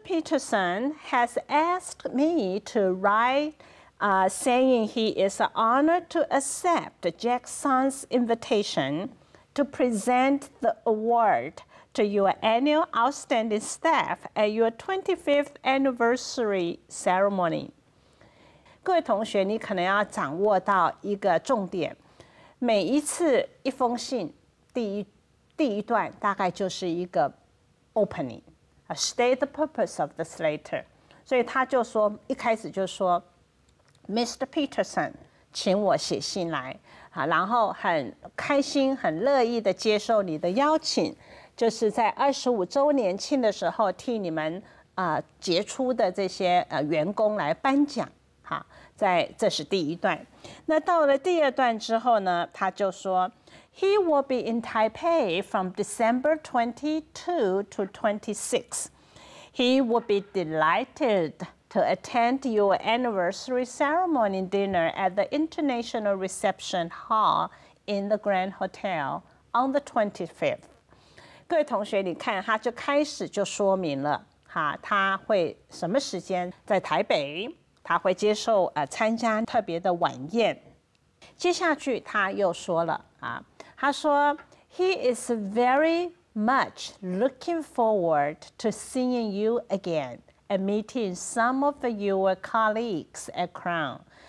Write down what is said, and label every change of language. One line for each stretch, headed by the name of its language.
English: Peterson has asked me to write, saying he is honored to accept Jackson's invitation to present the award to your annual outstanding staff at your 25th anniversary ceremony.
Chinese: 各位同学，你可能要掌握到一个重点，每一次一封信，第一段大概就是一个。
English: Opening, state the purpose of this letter.
Chinese: 所以他就说，一开始就说 ，Mr. Peterson， 请我写信来，啊，然后很开心、很乐意的接受你的邀请，就是在25周年庆的时候替你们杰出的这些员工来颁奖，哈，在这是第一段。那到了第二段之后呢，他就说。
English: He will be in Taipei from December 22 to 26. He will be delighted to attend your anniversary ceremony dinner at the International Reception Hall in the Grand Hotel on the 25th.
Chinese: 各位同学，你看，他就开始就说明了哈，他会什么时间在台北，他会接受参加特别的晚宴。接下去他又说了啊。他说
English: ，He is very much looking forward to seeing you again and meeting some of your colleagues at Crown。